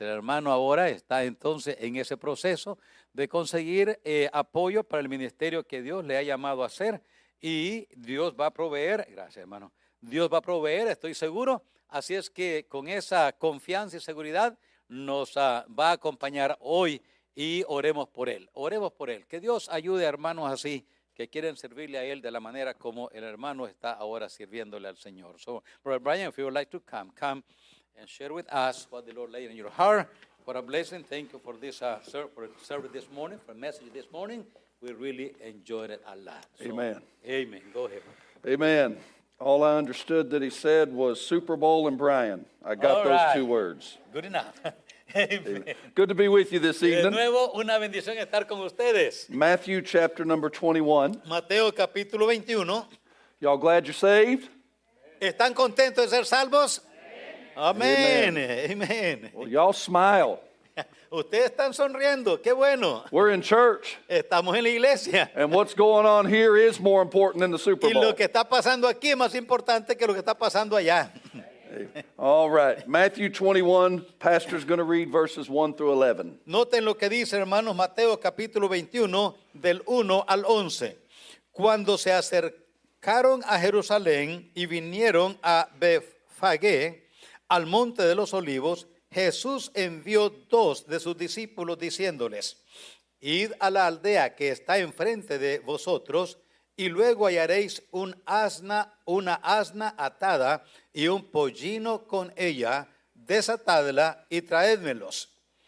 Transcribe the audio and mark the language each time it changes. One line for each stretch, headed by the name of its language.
Spanish: El hermano ahora está entonces en ese proceso de conseguir apoyo para el ministerio que Dios le ha llamado a hacer y Dios va a proveer, gracias, hermano, Dios va a proveer, estoy seguro. Así es que con esa confianza y seguridad nos va a acompañar hoy y oremos por él. Oremos por él, que Dios ayude a hermanos así, que quieren servirle a él de la manera como el hermano está ahora sirviéndole al Señor.
English: So, Brother Brian, if you would like to come and share with us what the Lord laid in your heart. What a blessing. Thank you for this service this morning, for the message this morning. We really enjoyed it a lot. So, amen. Amen. Go ahead. Amen. All I understood that he said was Super Bowl and Brian. I got all those right. Two words. Good enough. Amen. Good to be with you this evening.
Spanish: De nuevo, una bendición estar con ustedes.
English: Matthew chapter number 21.
Spanish: Mateo capítulo 21.
English: Y'all glad you're saved?
Spanish: ¿Están contentos de ser salvos?
English: Amen. Amen. Amen. Well, y'all smile.
Spanish: Ustedes están sonriendo. Qué bueno.
English: We're in church.
Spanish: Estamos en la iglesia.
English: And what's going on here is more important than the Super Bowl.
Spanish: Y lo que está pasando aquí es más importante que lo que está pasando allá.
English: All right, Matthew 21, pastor's going to read verses 1 through 11.
Spanish: Noten lo que dice, hermanos, Mateo capítulo 21, del 1 al 11. Cuando se acercaron a Jerusalén y vinieron a Betfagé, al monte de los olivos, Jesús envió dos de sus discípulos diciéndoles, id a la aldea que está enfrente de vosotros, y luego hallaréis una asna atada y un pollino con ella, desatadla y traédmelos.